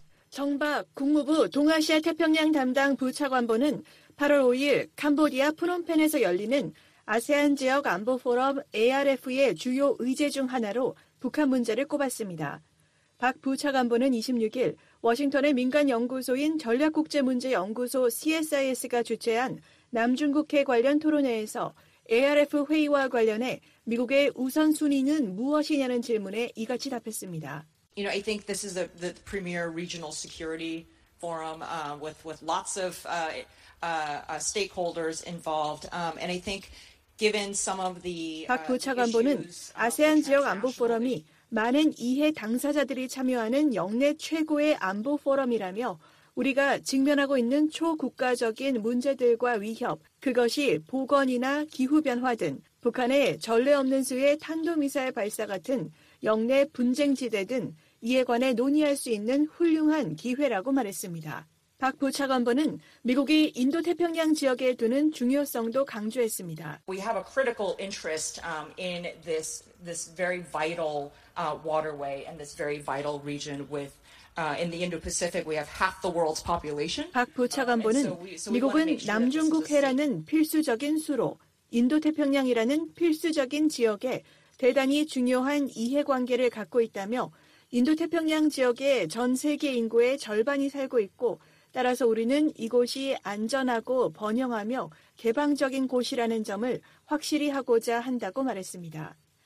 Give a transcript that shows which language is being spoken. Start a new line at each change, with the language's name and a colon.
Korean: 정박 국무부 동아시아 태평양 담당 부차관보는 8월 5일 캄보디아 프놈펜에서 열리는 아세안 지역 안보 포럼 ARF의 주요 의제 중 하나로 북한 문제를 꼽았습니다. 박 부차관보는 26일 워싱턴의 민간 연구소인 전략국제문제연구소 CSIS가 주최한 남중국해 관련 토론회에서 ARF 회의와 관련해 미국의 우선순위는 무엇이냐는 질문에 이같이 답했습니다.
English: You know, I think this is the premier regional security forum with lots of stakeholders involved. And I think given some of the
Korean: 박 부차관보는 아세안 지역 안보 포럼이 많은 이해 당사자들이 참여하는 역내 최고의 안보 포럼이라며 우리가 직면하고 있는 초국가적인 문제들과 위협, 그것이 보건이나 기후변화 등 북한의 전례 없는 수의 탄도미사일 발사 같은 영내 분쟁지대 등 이에 관해 논의할 수 있는 훌륭한 기회라고 말했습니다. 박 부차관보는 미국이 인도태평양 지역에 두는 중요성도 강조했습니다. We have a critical interest in this very vital waterway and this very vital region with in the Indo-Pacific we have half the world's population. 박 부차관보는 미국은 남중국해라는 필수적인 수로 인도태평양이라는 필수적인 지역에 대단히 중요한 이해관계를 갖고 있다며 인도태평양 지역에 전 세계 인구의 절반이 살고 있고 따라서 우리는 이곳이 안전하고 번영하며 개방적인 곳이라는 점을 확실히 하고자 한다고 말했습니다.